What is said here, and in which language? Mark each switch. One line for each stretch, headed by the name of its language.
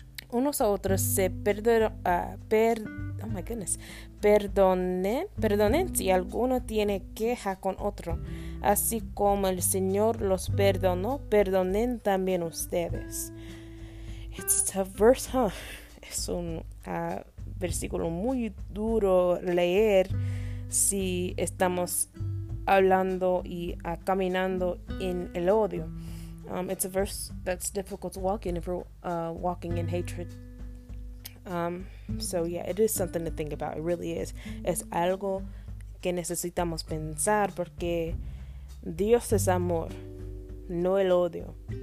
Spanish: unos a otros, se perdonen si alguno tiene queja con otro, así como el Señor los perdonó, perdonen también ustedes.
English: It's a verse, huh?
Spanish: Es un versículo muy duro leer si estamos hablando y caminando en el odio.
English: It's a verse that's difficult to walk in if we're walking in hatred. So yeah, it is something to think about. It really is.
Spanish: Es algo que necesitamos pensar porque Dios es amor, no el odio.